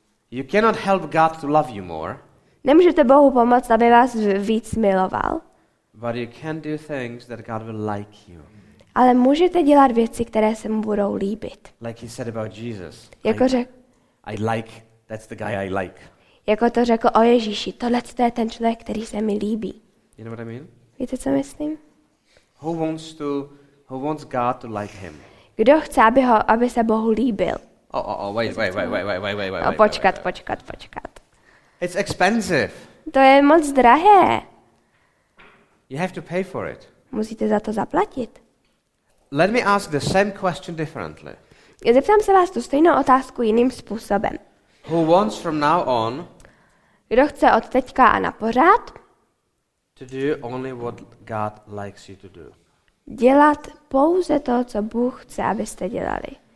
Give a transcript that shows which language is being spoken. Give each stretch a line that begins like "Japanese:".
English: You cannot help God to love you more.
Czech: Nemůžete Bohu pomoct, aby vás víc miloval.
English: But you can do things that God will like you.
Czech: Ale můžete dělat věci, které se mu budou líbit.
English: Like he said about Jesus.
Czech: Jako řekl.
English: I like. That's the guy I like.
Czech: Jako to řekl o Ježíši. Tohle je ten člověk, který se mi líbí.
English: You know what I mean?
Czech: Víte, co myslím?
English: Who wants God to like him?
Czech: Kdo chce, aby se Bohu líbil?
English: Oh, wait.
Czech: Počkat.
English: It's expensive.
Czech: To je moc drahé.
English: You have to pay for it.
Czech: Musíte za to zaplatit.
English: Let me ask the same question differently.
Czech: Zeptám se vás tu stejnou otázku jiným způsobem.
English: Who wants from now on?
Czech: Kdo chce od teďka a na pořád?
English: To do only what God likes you to do.
Czech: Dělat pouze to, co Bůh chce, abyste dělali.